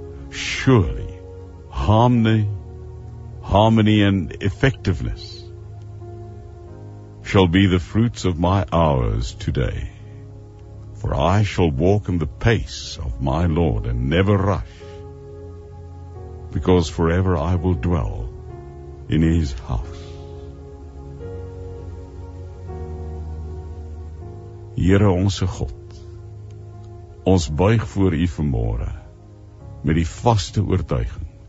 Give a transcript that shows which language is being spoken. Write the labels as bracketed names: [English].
[English] Surely, harmony and effectiveness shall be the fruits of my hours today. For I shall walk in the pace of my Lord and never rush, because forever I will dwell in His house. [Afrikaans] Here, onse God, ons buig voor U vanmôre, met die vaste oortuiging.